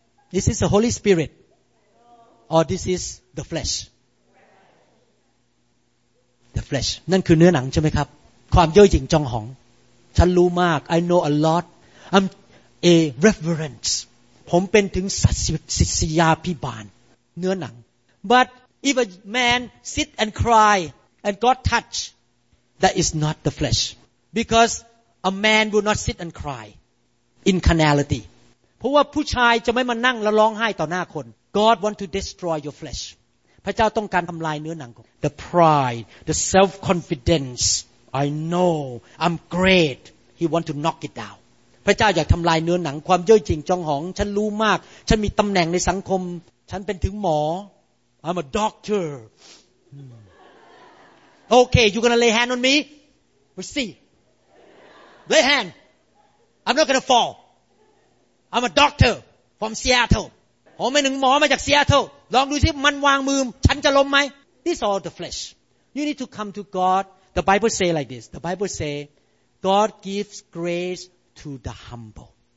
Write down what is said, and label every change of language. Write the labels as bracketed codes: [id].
[en] This is the Holy Spirit, or this is the flesh. The flesh. [th] นั่นคือเนื้อหนังใช่ไหมครับความเย่อหยิ่งจองหองฉันรู้มาก [en] I know a lot. I'm a reverence. [th] ผมเป็นถึงศิษยาภิบาลเนื้อหนัง [en] But if a man sit and cry and God touch, that is not the flesh. Because a man will not sit and cry in carnality. [th] เพราะว่าผู้ชายจะไม่มานั่งและร้องไห้ต่อหน้าคน [en] God want to destroy your flesh [th] พระเจ้าต้องการทำลายเนื้อหนังของ [en] The pride the self confidence I know I'm great He want to knock it down [th] พระเจ้าอยากทำลายเนื้อหนังความเย่อหยิ่งจองหองฉันรู้มากฉันมีตำแหน่งในสังคมฉันเป็นถึงหมอ [en] I'm a doctor Okay you gonna lay hand on me we'll see lay hand I'm not gonna fallI'm a doctor from Seattle. [th] ผมเป็นหนึ่งหมอมาจากซีแอตเทิลลองดูสิมันวางมือฉันจะล้มไหม [en] This is all the flesh. You need to come to God. The Bible say like this. The Bible say, God gives grace to the humble.